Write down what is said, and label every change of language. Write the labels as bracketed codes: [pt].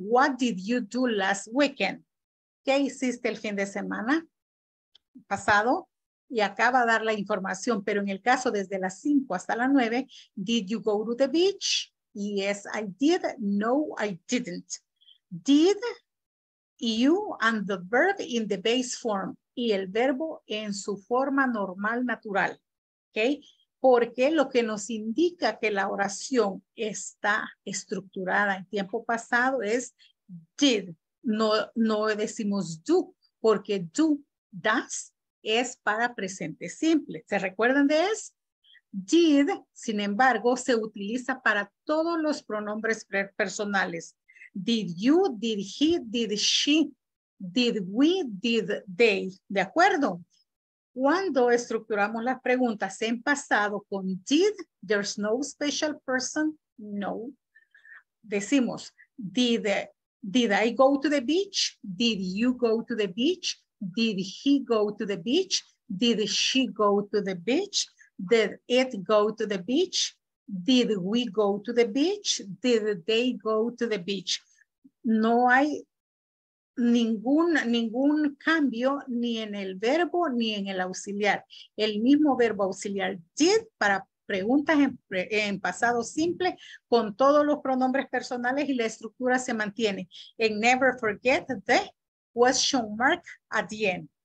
[en] What did you do last weekend? [es] ¿Qué hiciste el fin de semana pasado? Y acaba de dar la información, pero en el caso desde las 5 hasta las 9, [en] did you go to the beach? Yes, I did. No, I didn't. Did you and the verb in the base form? [es] Y el verbo en su forma normal, natural, ¿ok? Porque lo que nos indica que la oración está estructurada en tiempo pasado es did. No decimos do, porque do, does, es para presente simple. ¿Se recuerdan de eso? Did, sin embargo, se utiliza para todos los pronombres personales. [en] Did you, did he, did she. Did we, did they, [es] ¿de acuerdo? Cuando estructuramos las preguntas en pasado con did, [en] there's no special person, no. Decimos, did I go to the beach? Did you go to the beach? Did he go to the beach? Did she go to the beach? Did it go to the beach? Did we go to the beach? Did they go to the beach? [es] No hay ningún cambio ni en el verbo ni en el auxiliar. El mismo verbo auxiliar did para preguntas en pasado simple con todos los pronombres personales y la estructura se mantiene. [en] And never forget the question mark at the end.